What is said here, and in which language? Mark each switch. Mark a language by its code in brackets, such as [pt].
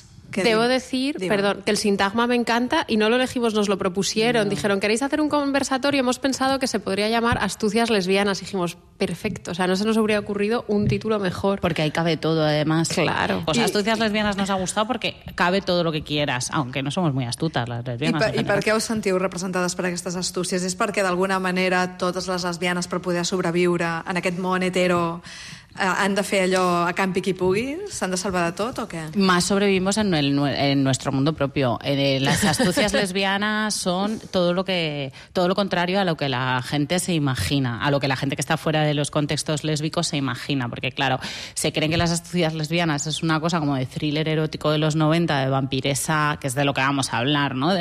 [es] Debo decir, perdón, que el sintagma me encanta y no lo elegimos, nos lo propusieron. No. Dijeron, ¿queréis hacer un conversatorio? Hemos pensado que se podría llamar Astucias Lesbianas. Y dijimos, perfecto. O sea, no se nos hubiera ocurrido un título mejor. Porque ahí cabe todo, además. Claro. Pues Astucias Lesbianas nos ha gustado porque cabe todo lo que quieras, aunque no somos muy astutas las lesbianas. [ca] I per què us sentiu representades per aquestes astúcies? És perquè, d'alguna manera, totes les lesbianes, per poder sobreviure en aquest món hetero, han de fer allò a campi qui pugui? S'han de salvar de tot o què? [es] Más sobrevivimos en nuestro mundo propio. Las astucias lesbianas son todo lo contrario a lo que la gente se imagina, a lo que la gente que está fuera de los contextos lésbicos se imagina, porque claro, se creen que las astucias lesbianas es una cosa como de thriller erótico de los 90, de vampiresa, que es de lo que vamos a hablar, ¿no?